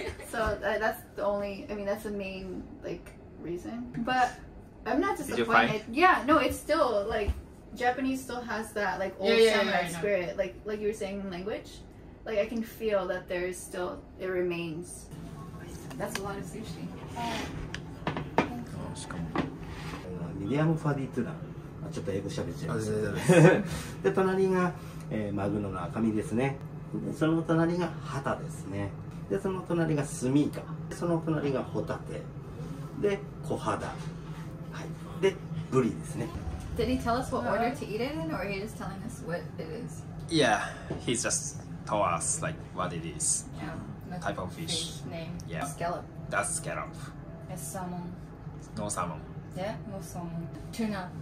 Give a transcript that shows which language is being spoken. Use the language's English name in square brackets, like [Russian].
[English] So that's the only, I mean, that's the main, like, reason. But I'm not disappointed. Yeah, no, it's still like Japanese still has that like old samurai spirit. Like you were saying, language. Like I can feel that there is still, it remains. That's a lot of sushi. [Japanese] ミディアムファディというのはちょっと英語喋っちゃいます。で、隣がマグロの赤身ですね。その隣がハタですね。で、その隣がスミイカ。その隣がホタテ。で、小肌。はい。で、ブリですね。 [English] Did he tell us what order to eat it in, or he is telling us what it is? Yeah, he just told us like what it is. Yeah. Type of fish. Name. Yeah. Scallop. That's scallop. It's salmon. No salmon. Yeah, no salmon. Tuna.